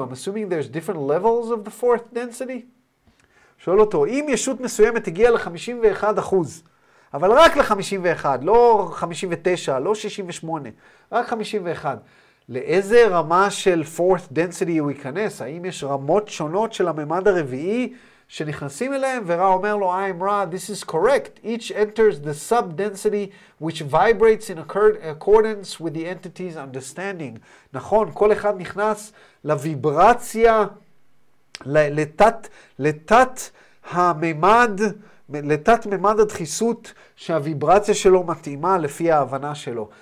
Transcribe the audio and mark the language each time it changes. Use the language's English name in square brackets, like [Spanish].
[English] I'm assuming there's different levels of the fourth density. [Hebrew] שואל אותו, אם ישות מסוימת הגיעה ל-51%, אבל רק ל-51, לא 59, לא 68, רק 51. לאיזה רמה של fourth density הוא ייכנס? האם יש רמות שונות של הממד הרביעי שנכנסים אליהם? ורא אומר לו, [English] I am Ra, this is correct. Each enters the sub-density which vibrates in accordance with the entity's understanding. [Hebrew] נכון, כל אחד נכנס לויברציה, לתת הממד, לתת ממד הדחיסות שהוויברציה שלו מתאימה לפי ההבנה שלו.